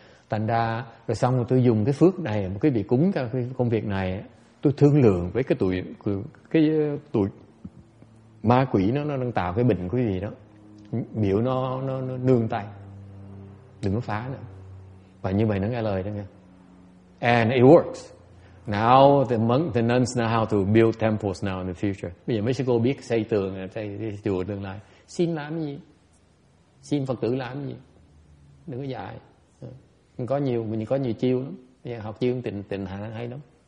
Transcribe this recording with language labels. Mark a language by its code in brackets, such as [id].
[vi] Thành ra rồi xong rồi tôi dùng cái phước này, một cái việc cúng cho công việc này, tôi thương lượng với cái tụi ma quỷ nó đang tạo cái bệnh cái gì đó, biểu nó nương tay, đừng có phá nữa. Và như vậy nó nghe lời đó nghe. [en] And it works. Now the nuns know how to build temples now in the future. [vi] Bây giờ mấy sư cô biết xây tường, xây chùa tương lai. Xin làm gì? Xin Phật tử làm gì? Đừng có dạy. Mình có nhiều chiêu lắm. Yeah, học chiêu tình hạn hay lắm.